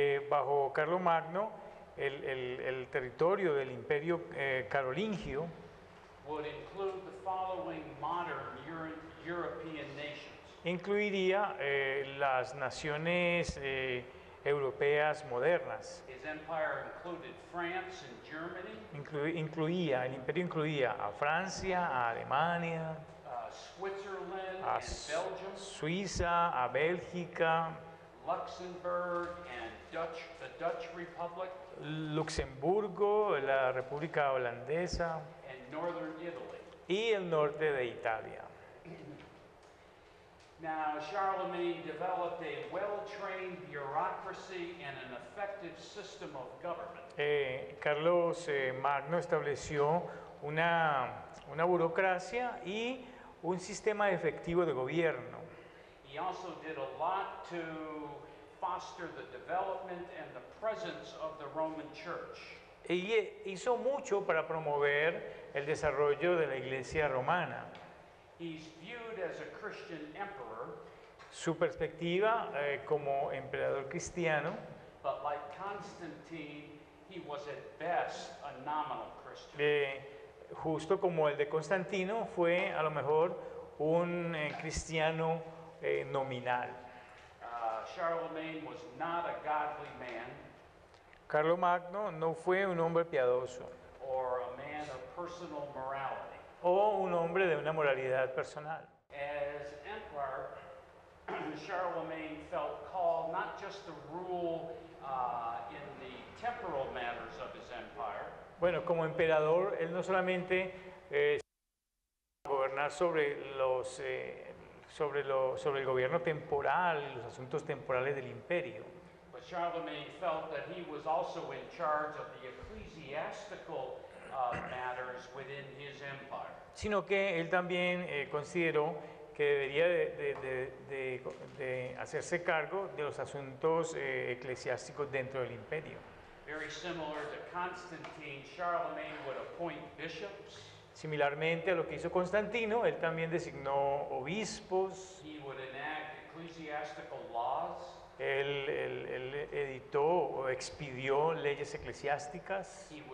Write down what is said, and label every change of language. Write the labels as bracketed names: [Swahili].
[Spanish] bajo Carlomagno, el territorio del imperio carolingio [English] would include the following modern European nations. [Spanish] Incluiría las naciones europeas modernas. [English] His empire included France and Germany. [Spanish] Incluía, el imperio incluía a Francia, a Alemania, [English] Switzerland and Belgium, [Spanish] Suiza, a Bélgica, [English] Luxembourg and the Dutch Republic, [Spanish] Luxemburgo, la República Holandesa, [English] and Northern Italy, [Spanish] y el norte de Italia. [English] Now, Charlemagne developed a well-trained bureaucracy and an effective system of government. [Spanish] Carlos Magno estableció una burocracia y un sistema efectivo de gobierno. [English] He also did a lot to foster the development and the presence of the Roman Church. [Spanish] Y hizo mucho para promover el desarrollo de la Iglesia Romana. [English] He's viewed as a Christian emperor. [Spanish] Su perspectiva como emperador cristiano. [English] But like Constantine, he was at best a nominal Christian. [Spanish] Justo como el de Constantino, fue a lo mejor un cristiano nominal. [English] Charlemagne was not a godly man. [Spanish] Carlomagno no fue un hombre piadoso. [English] Or a man of personal morality. [Spanish] O un hombre de una moralidad personal. [English] As emperor, Charlemagne felt called not just to rule in the temporal matters of his empire. [Spanish] Bueno, como emperador, él no solamente gobernar sobre los sobre el gobierno temporal, los asuntos temporales del imperio. [English] But Charlemagne felt that he was also in charge of the ecclesiastical matters within his empire. [Spanish] Sino que él también consideró que debería de hacerse cargo de los asuntos eclesiásticos dentro del imperio. [English] Very similar to Constantine, Charlemagne would appoint bishops. [Spanish] Similarmente a lo que hizo Constantino, él también designó obispos. [English] He would enact ecclesiastical laws. [Spanish] Él editó o expidió leyes eclesiásticas.